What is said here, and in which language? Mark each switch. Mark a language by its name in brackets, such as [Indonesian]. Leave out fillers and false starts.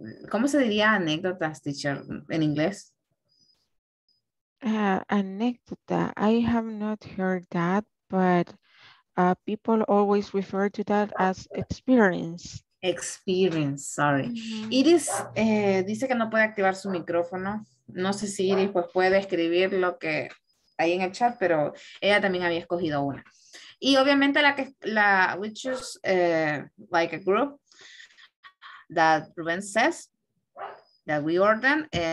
[Spanish] ¿Cómo se diría anécdotas, teacher, en inglés? Anecdota. [English] I have not heard that, but people always refer to that as experience. Experience, sorry. Mm-hmm. [Spanish] Iris dice que no puede activar su micrófono. No sé si Iris pues puede escribir lo que hay en el chat, pero ella también había escogido una. Y obviamente la [English] we choose like a group that Ruben says that we order.